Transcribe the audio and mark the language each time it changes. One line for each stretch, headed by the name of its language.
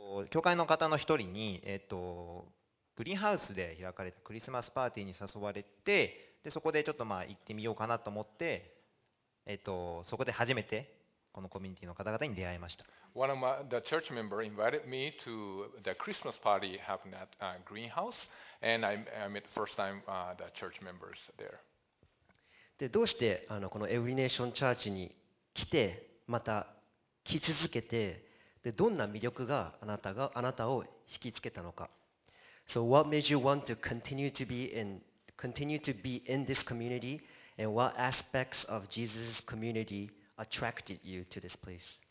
Japanese: 教会の方の一人に、グリーンハウスで開かれたクリスマスパーティーに誘われて、でそこでちょっとまあ行ってみようかなと思って、そこで初めてこのコミュニティの方々に出会いました。
English: One of my, the church member invited me to the Christmas party happened at Greenhouse, and I met the first time the church members there.
Japanese: でどうしてこのエブリネーションチャーチに来て、また来続けて、でどんな魅力があなたを引きつけたのか。
English: So what made you want to continue to be in this community, and what aspects of Jesus' community attracted you to this place?